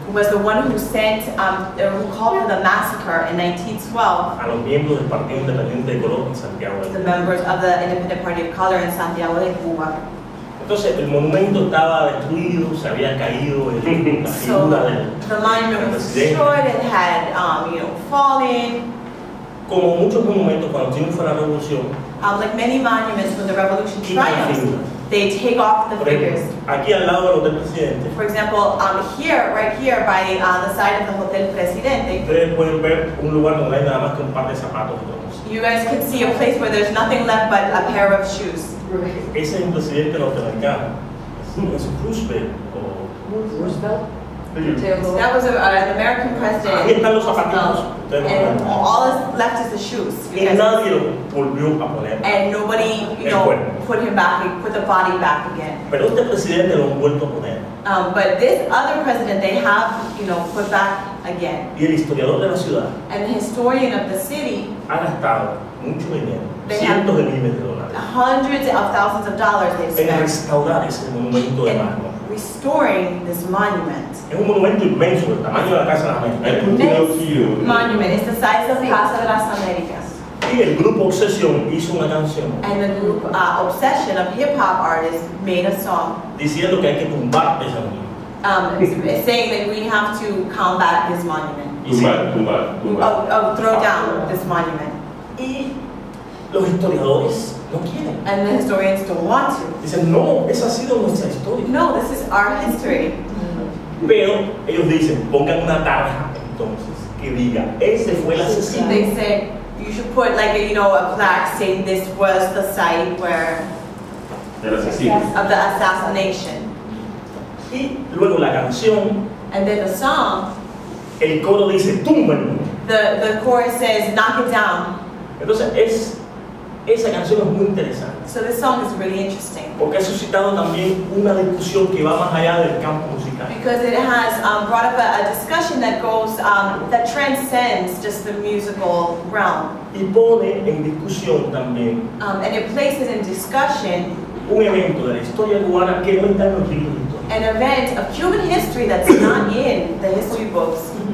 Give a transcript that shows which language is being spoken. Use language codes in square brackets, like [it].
[en] was the one who sent, who called for the massacre in 1912. [es] A los miembros del Partido Independiente de Color en Santiago. [en] The members of the Independent Party of Color in Santiago de Cuba. [es] Entonces el monumento estaba destruido, se había caído en la figura [en] so, [es] del. [en] The monument was destroyed. It had, fallen. [es] Como muchos monumentos cuando triunfa la revolución. [en] Like many monuments when the revolution triumphs. They take off the figures. [es] Aquí al lado del Hotel Presidente. [en] For example, here, right here, by the side of the Hotel Presidente. [es] Ustedes pueden ver un lugar donde hay nada más que un par de zapatos. Entonces. [en] You guys can see a place where there's nothing left but a pair of shoes. [es] Ese es un presidente norteamericano. Es Roosevelt. [en] That was an American president. [es] Aquí están los zapatitos. [en] And all that's left is the shoes. [es] Nadie lo volvió a poner. [en] And nobody, you know, put him back, put the body back again. [es] Pero este presidente lo han vuelto a poner. [en] But this other president, they have, you know, put back again. [es] Y el historiador de la ciudad. [en] And the historian of the city. [es] Ha gastado mucho dinero. Cientos de miles de dólares. [en] Hundreds of thousands of dollars they spent. [es] En restaurar ese monumento de mármol. [en] Restoring this monument. [es] Es un monumento inmenso, el tamaño de la Casa de las Américas. [en] Monument is the size of Casa de las Américas. [es] Y el grupo Obsesión hizo una canción. [en] And the group Obsession of hip hop artists made a song. [es] Diciendo que hay que tumbar ese monumento. [en] saying that we have to combat this monument. [es] Tumbar. [en] Of throw down this monument. [es] Y los historiadores. No quieren. [en] And the historians don't want to. [es] Dicen, no, esa ha sido nuestra historia. [en] No, this is our history. [es] Pero ellos dicen, pongan una tarja entonces que diga, ese fue el asesino. [en] They say, you should put like a, you know, a plaque saying this was the site where of the assassination. [es] Y luego la canción. [en] And then the song. [es] El coro dice, tumben. [en] The chorus says, knock it down. [es] Entonces es. Esa canción es muy interesante. [en] So this song is really interesting. [es] Porque ha suscitado también una discusión que va más allá del campo musical. [en] Because it has brought up a discussion that goes that transcends just the musical realm. [es] Y pone en discusión también. [en] And it places in discussion [es] un evento de la historia cubana que no está en los libros de historia. [en] An event of Cuban history that's not in the history books.